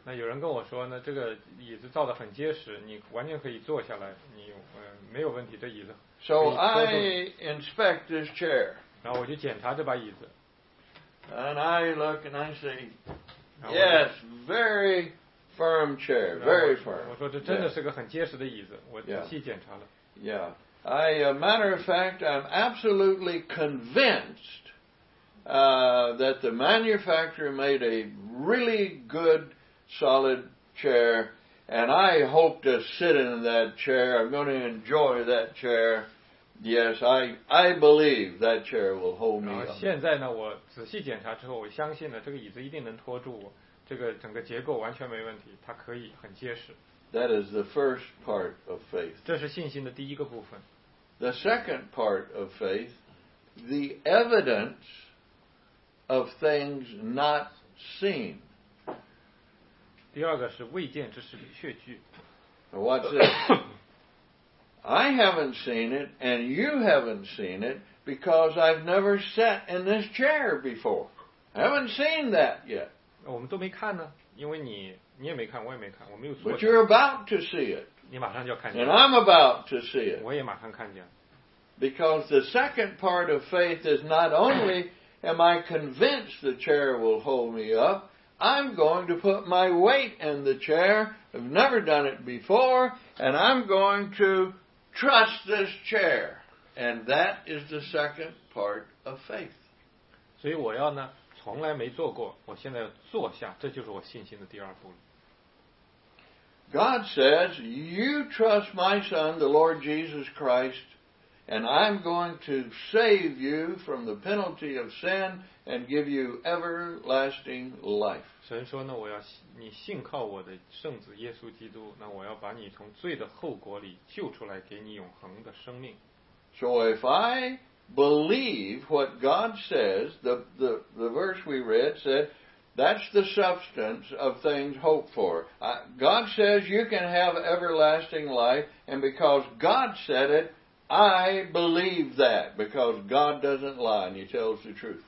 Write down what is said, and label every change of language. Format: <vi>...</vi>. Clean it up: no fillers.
<zh>那有人跟我说呢，这个椅子造得很结实，你完全可以坐下来，你没有问题，这椅子。</zh> <en>So I inspect this chair.</en> <zh>然后我就检查这把椅子。</zh> <en>And I look and I say, yes, very firm chair, very firm.</en> <zh>我说这真的是个很结实的椅子，我仔细检查了。 Yeah.</zh> <en>Matter of fact, I'm absolutely convinced that the manufacturer made a really good, solid chair, and I hope to sit in that chair. I'm going to enjoy that chair. Yes, I believe that chair will hold me up.</en> <zh>现在呢，我仔细检查之后，我相信呢，这个椅子一定能拖住我。这个整个结构完全没问题，它可以很结实。</zh> <en>That is the first part of faith.</en> <zh>这是信心的第一个部分。</zh> <en>The second part of faith, the evidence of things not seen.</en> <zh>第二个是未见之事的确据。</zh> <en>What's this? I haven't seen it, and you haven't seen it, because I've never sat in this chair before. I haven't seen that yet.</en> <zh>我们都没看呢，因为你也没看，我也没看，我没有。</zh> <en>But you're about to see it.</en> <zh>你马上就要看见。</zh> <en>And I'm about to see it.</en> <zh>我也马上看见。</zh> <en>Because the second part of faith is not only am I convinced the chair will hold me up, I'm going to put my weight in the chair. I've never done it before, and I'm going to trust this chair. And that is the second part of faith.</en> <zh>所以我要呢，从来没做过，我现在要坐下，这就是我信心的第二步。</zh> <en>God says, you trust my son, the Lord Jesus Christ, And I'm going to save you from the penalty of sin and give you everlasting life.</en> <zh>神说呢，我要你信靠我的圣子耶稣基督，那我要把你从罪的后果里救出来，给你永恒的生命。</zh> <en>So if I believe what God says, the verse we read said, that's the substance of things hoped for. God says you can have everlasting life, and because God said it, I believe that because God doesn't lie and he tells the truth.</en>